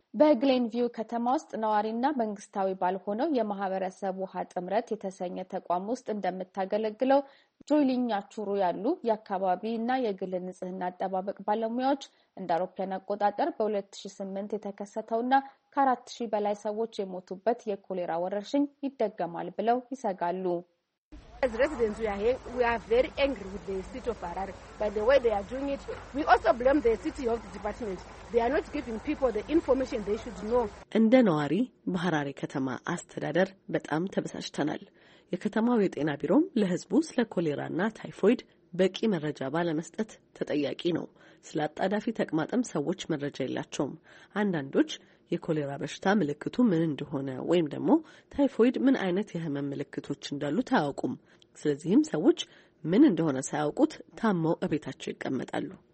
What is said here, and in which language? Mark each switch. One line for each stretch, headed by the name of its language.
Amharic: በግሌንቪው ከተማ ውስጥ ነዋሪና መንግስታዊ ባልሆነው የማህበረሰብ ውሃ ጥምረት የተሰኘ ተቋም ውስጥ እንደምታገለግለው ጆይሊኛ ቹሩ ያሉ የአካባቢና የግል ንጽህና አጠባበቅ ባለሙያዎች እንደ አውሮፓውያን አቆጣጠር በ2008 የተከሰተውና ከ4000 በላይ ሰዎች የሞቱበት የኮሌራ ወረርሽኝ ይደገማል ብለው ይሰጋሉ።
English: As residents, we are very angry with the city of Harare. By the way they are doing it, we also blame the city health department. They are not giving people the information they should know.
Amharic: እንደ ነዋሪ በሐራሪ ከተማ አስተዳደር በጣም ተበሳጭተናል። የከተማው የጤና ቢሮም ለህዝቡ ስለ ኮሌራና ታይፎይድ በቂ መረጃ ባለመስጠት ተጠያቂ ነው። ስለ አጣዳፊ ተቅማጥም ሰዎች መረጃ የላቸውም። አንዳንዶች የኮሌራ በሽታ ምልክቱ ምን እንደሆነ ወይም ደግሞ ታይፎይድ ምን አይነት የህመም ምልክቶች እንዳሉ ታውቁም። ስለዚህም ሰዎች ምን እንደሆነ ሳያውቁት ታመው እቤታቸው ይቀመጣሉ።